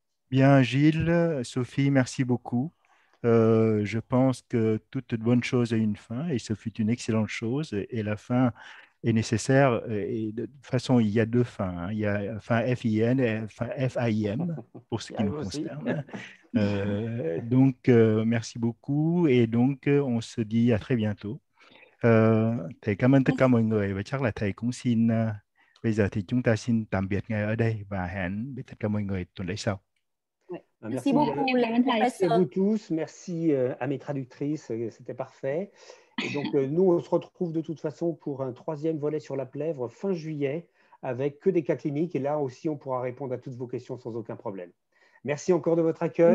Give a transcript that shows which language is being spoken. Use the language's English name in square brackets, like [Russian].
[French] Bien, Gilles, Sophie, merci beaucoup. Je pense que toute bonne chose a une fin et ce fut une excellente chose et la fin est nécessaire. Et de toute façon, il y a deux fins. Hein. Il y a fin FIN et fin FIM pour ce qui nous concerne. Merci beaucoup et donc on se dit à très bientôt. [Vietnamese] Thầy cảm ơn tất cả mọi người và chắc là thầy cũng xin bây giờ thì chúng ta xin tạm biệt ngay ở đây và hẹn với tất cả mọi người tuần lễ sau. [French] Merci beaucoup, merci à vous tous, merci à mes traductrices, c'était parfait. Et donc nous on se retrouve de toute façon pour un troisième volet sur la plèvre fin juillet avec que des cas cliniques et là aussi on pourra répondre à toutes vos questions sans aucun problème. Merci encore de votre accueil.